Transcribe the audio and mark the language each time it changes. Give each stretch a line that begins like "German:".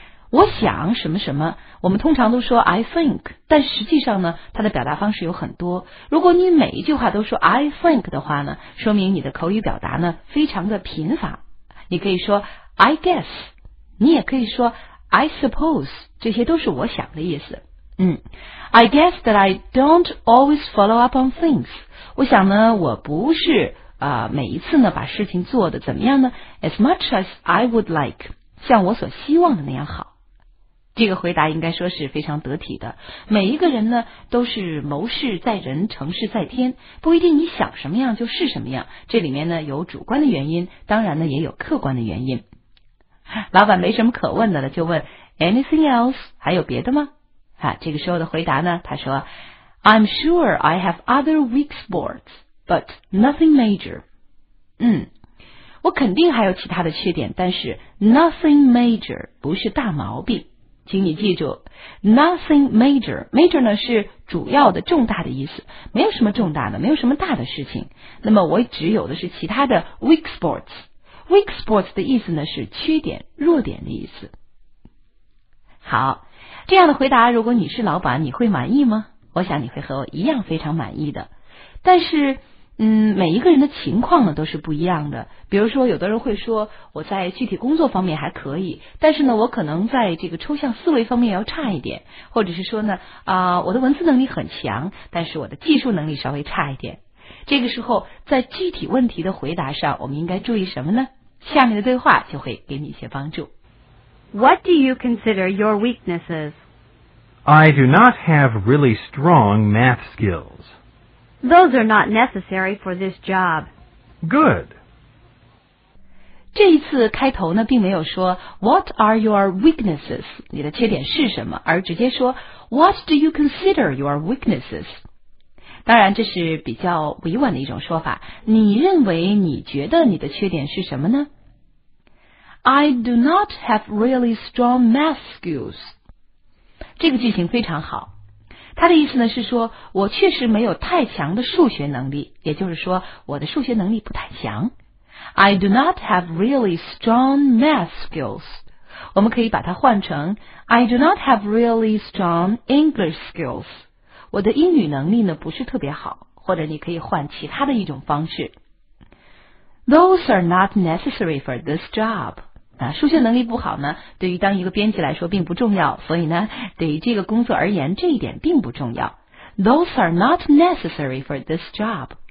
Chinese: 我想什么什么，我们通常都说
English: I think，
Chinese: 但实际上呢它的表达方式有很多。如果你每一句话都说
English: I think
Chinese: 的话呢，说明你的口语表达呢非常的贫乏。你可以说
English: I guess，
Chinese: 你也可以说
English: I suppose，
Chinese: 这些都是我想的意思。
English: I guess that I don't always follow up on things，
Chinese: 我想呢我不是每一次呢把事情做得怎么样呢
English: as much as I would like，
Chinese: 像我所希望的那样好。这个回答应该说是非常得体的。每一个人呢，都是谋事在人，成事在天，不一定你想什么样就是什么样。这里面呢，有主观的原因，当然呢，也有客观的原因。老板没什么可问的了，就问
English: Anything else?
Chinese: 还有别的吗？啊，这个时候的回答呢，他说
English: I'm sure I have other weak spots, but nothing major.
Chinese: 我肯定还有其他的缺点，但是
English: nothing major
Chinese: 不是大毛病。请你记住
English: nothing major,
Chinese: major 呢是主要的重大的意思，没有什么重大的，没有什么大的事情。那么我只有的是其他的
English: weak spots,
Chinese: weak spots 的意思呢是缺点弱点的意思。好，这样的回答如果你是老板你会满意吗？我想你会和我一样非常满意的。但是每一个人的情况呢都是不一样的。比如说有的人会说我在具体工作方面还可以，但是呢我可能在这个抽象思维方面要差一点，或者是说呢我的文字能力很强，但是我的技术能力稍微差一点。这个时候在具体问题的回答上我们应该注意什么呢？下面的对话就会给你一些帮助。
English: What do you consider your weaknesses? I do not have really strong math skills. Those are not necessary for this job. Good.
Chinese: 这一次开头呢并没有说
English: What are your weaknesses?
Chinese: 你的缺点是什么，而直接说
English: What do you consider your weaknesses?
Chinese: 当然这是比较委婉的一种说法，你认为你觉得你的缺点是什么呢？
English: I do not have really strong math skills.
Chinese: 这个句型非常好，它的意思呢是说我确实没有太强的数学能力，也就是说我的数学能力不太强。
English: I do not have really strong math skills.
Chinese: 我们可以把它换成
English: I do not have really strong English skills.
Chinese: 我的英语能力呢不是特别好，或者你可以换其他的一种方式。
English: Those are not necessary for this job.
Chinese: 啊，数学能力不好呢，对于当一个编辑来说并不重要，所以呢，对于这个工作而言，这一点并不重要。
English: Those are not necessary for this job.